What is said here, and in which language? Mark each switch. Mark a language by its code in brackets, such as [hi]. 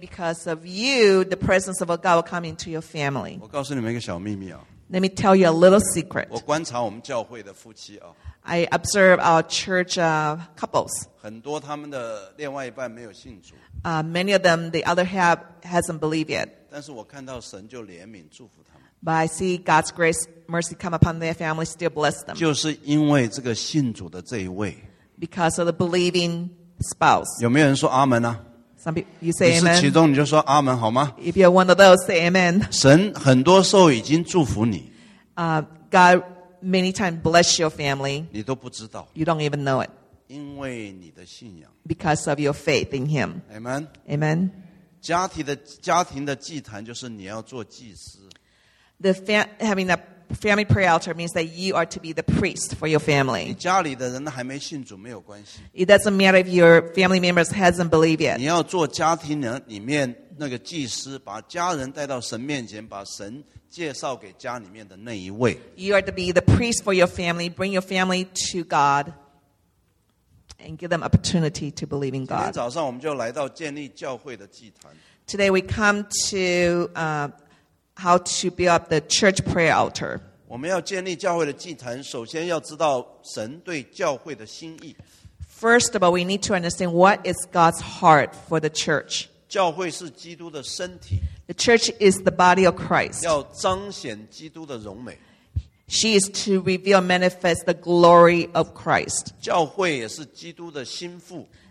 [en] And because of you, the presence of a God will come into your family. [zh] 我告诉你们一个小秘密啊。 [en] Let me tell you a little secret. [zh] 我观察我们教会的夫妻啊。 [en] I observe our church couples. [zh] 很多他们的另外一半没有信主。 [en] Many of them, the other half hasn't believed yet. [zh] 但是我看到神就怜悯祝福他们。 [en] But I see God's grace, mercy come upon their family, still bless them. [zh] 就是因为这个信主的这一位。 [en] Because of the believing spouse. [zh] 有没有人说阿门啊 [en] Some people, you say amen. [zh] 你是其中你就说阿门好吗 [en] If you're one of those, say amen. [zh] 神很多时候已经祝福你。 [en] God many times bless your family. [zh] 你都不知道。 [en] You don't even know it. [zh] 因为你的信仰。 [en] Because of your faith in him. Amen. Amen. [zh] 家庭的祭坛就是你要做祭司。 [en] Having a family prayer altar means that you are to be the priest for your family. [zh] 你家里的人还没信主没有关系。 [en] It doesn't matter if your family members hasn't believed yet. [zh] 你要做家庭人里面那个祭司，把家人带到神面前，把神介绍给家里面的那一位。 [en] You are to be the priest for your family. Bring your family to God and give them opportunity to believe in God. [zh] 今天早上我们就来到建立教会的祭坛。 [en] Today we come to how to build up the church prayer altar. [zh] 我们要建立教会的祭坛，首先要知道神对教会的心意。 [en] First of all, we need to understand what is God's heart for the church. [zh] 教会是基督的身体。 [en] The church is the body of Christ. [zh] 要彰显基督的荣美。 [en] She is to reveal, manifest the glory of Christ. [zh] 教会也是基督的心腹。